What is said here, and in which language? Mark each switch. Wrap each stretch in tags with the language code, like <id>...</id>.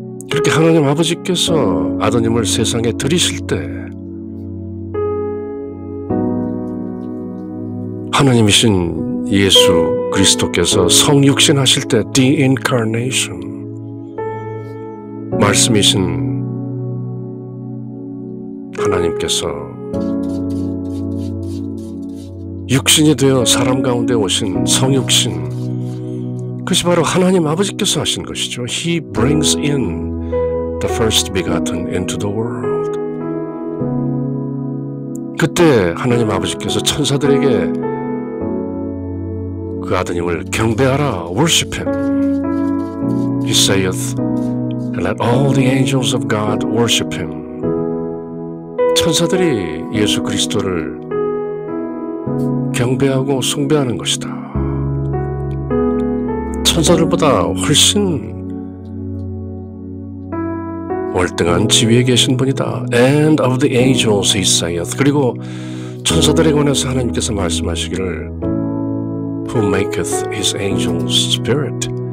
<ko>그렇게 하나님 아버지께서 아드님을 세상에 들이실 때 하나님이신 예수 그리스도께서 성육신하실 때 The Incarnation 말씀이신 하나님께서 육신이 되어 사람 가운데 오신 성육신 그것이 바로 하나님 아버지께서 하신 것이죠.</ko> <en>He brings in the first begotten into the world.</en> <ko>그때 하나님 아버지께서 천사들에게 그 아드님을 경배하라,</ko> <en>worship him. He saith, and let all the angels of God worship him.</en> <ko>천사들이 예수 그리스도를 경배하고 숭배하는 것이다. 천사들보다 훨씬 월등한 지위에 계신 분이다.</ko> <en>And of the angels he saith.</en> <ko>그리고 천사들에 관해서 하나님께서 말씀하시기를</ko> <en>Who maketh his angels spirit?</en>